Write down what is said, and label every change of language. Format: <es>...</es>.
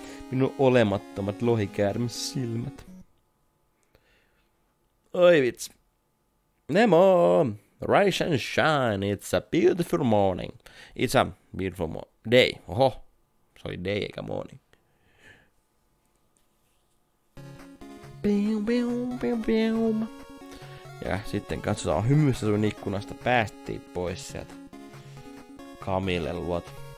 <fi>Minun olemattomat lohikäärmissilmät. Oi vits. Nemo!</fi> <en>Rise and shine, it's a beautiful morning. It's a beautiful day.</en> <fi>Oho, se oli day eikä morning. Bium, bium, bium, bium. Ja sitten katsotaan hymyssä sun ikkunasta. Päästiin pois sieltä. Camille luot.</fi>